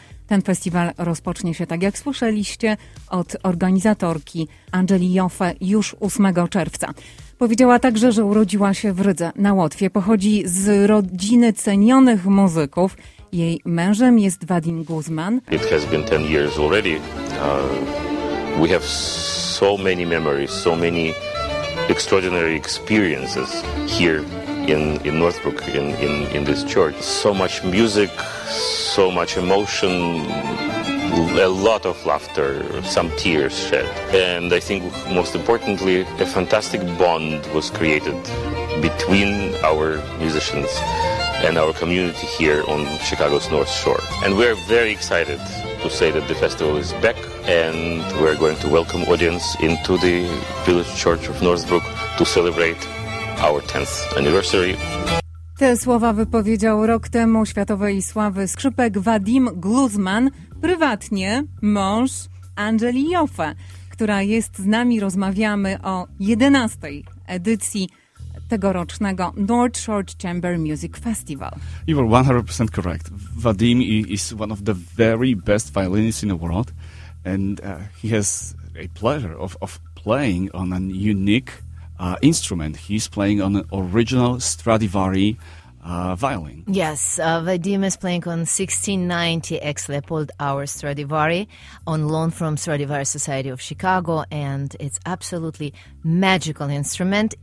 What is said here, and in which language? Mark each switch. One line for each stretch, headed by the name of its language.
Polish: Ten festiwal rozpocznie się, tak jak słyszeliście, od organizatorki Angeli Joffe już 8 czerwca. Powiedziała także, że urodziła się w Rydze na Łotwie. Pochodzi z rodziny cenionych muzyków. Jej mężem jest Vadim Guzman.
English: It has been 10 years already. We have so many memories, so many extraordinary experiences here in Northbrook, in this church. So much music, so much emotion, a lot of laughter, some tears shed. And I think most importantly, a fantastic bond was created between our musicians and our community here on Chicago's North Shore. And we're very excited to say that the festival is back, and we're going to welcome audience into the Village Church of Northbrook to celebrate our 10th anniversary.
Polish: Te słowa wypowiedział rok temu światowej sławy skrzypek Vadim Guzman, prywatnie mąż Angeli Joffe, która jest z nami. Rozmawiamy o 11. edycji tegorocznego North Shore Chamber Music Festival.
English: You were 100% correct. Vadim is one of the very best violinists in the world, and he has a pleasure of playing on a unique instrument. He's playing on an original Stradivari violin. Yes, Vadim is playing on 1690 ex Leopold Auer Stradivari on loan from Stradivari Society of Chicago, and it's absolutely magical instrument.